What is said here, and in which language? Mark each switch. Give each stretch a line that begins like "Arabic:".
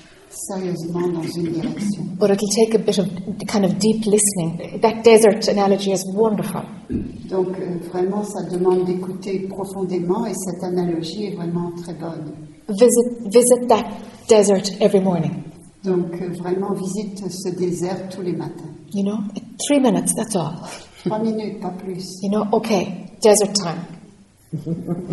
French: Sérieusement dans une direction.
English: But it'll take a bit of kind of deep listening. That desert analogy is wonderful.
French: Donc vraiment, ça demande d'écouter profondément, et cette analogie est vraiment très bonne.
English: Visit that desert every morning.
French: Donc vraiment, visite ce désert tous les matins.
English: You know, 3 minutes. That's all.
French: 3 minutes, pas plus.
English: You know, okay, desert time.